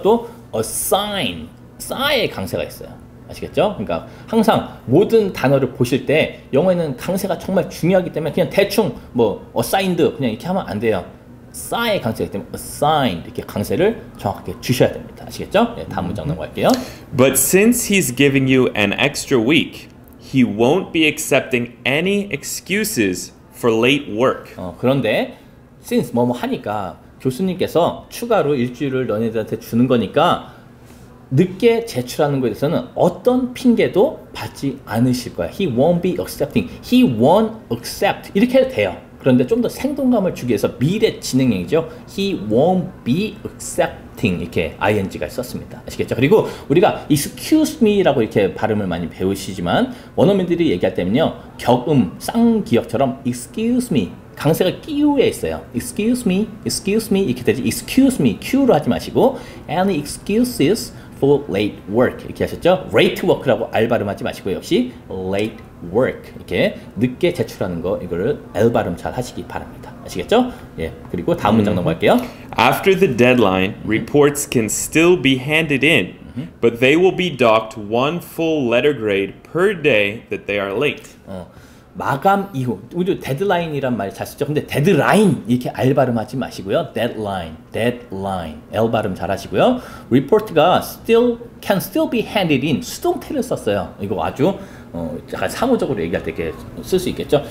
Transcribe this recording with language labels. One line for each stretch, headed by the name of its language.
Korean: 또 assign 싸의 강세가 있어요. 아시겠죠? 그러니까 항상 모든 단어를 보실 때 영어에는 강세가 정말 중요하기 때문에 그냥 대충 뭐 assigned 그냥 이렇게 하면 안 돼요. 싸의 강세가 있기 때문에 assigned 이렇게 강세를 정확하게 주셔야 됩니다. 아시겠죠? 네, 다음 문장 넘어갈게요.
English: But since he's giving you an extra week, he won't be accepting any excuses for late work.
Korean: 그런데 since 뭐뭐 하니까 교수님께서 추가로 일주일을 너네들한테 주는 거니까 늦게 제출하는 것에 대해서는 어떤 핑계도 받지 않으실 거야.
English: He won't be accepting. He won't accept.
Korean: 이렇게 해도 돼요. 그런데 좀 더 생동감을 주기 위해서 미래 진행형이죠.
English: He won't be accepting.
Korean: 이렇게 ing가 썼습니다. 아시겠죠? 그리고 우리가 excuse me라고 이렇게 발음을 많이 배우시지만 원어민들이 얘기할 때는요. 격음, 쌍기역처럼 excuse me. 강세가 끼우에 있어요. Excuse me, excuse me 이렇게 되지. Excuse me, Q로 하지 마시고
English: any excuses for late work
Korean: 이렇게 하셨죠? late work라고 R 발음하지 마시고 역시 late work 이렇게 늦게 제출하는 거 이거를 L 발음 잘 하시기 바랍니다. 아시겠죠? 예. 그리고 다음 문장 넘어갈게요.
English: After the deadline, reports can still be handed in, but they will be docked one full letter grade per day that they are late.
Korean: 마감 이후, 우리 데드라인이란 말 잘 쓰죠. 근데 데드라인 이렇게 R 발음하지 마시고요. Deadline, deadline, L 발음 잘 하시고요. Report가 still
English: can still be handed in
Korean: 수동태를 썼어요. 이거 아주 약간 사무적으로 얘기할 때 이렇게 쓸 수 있겠죠.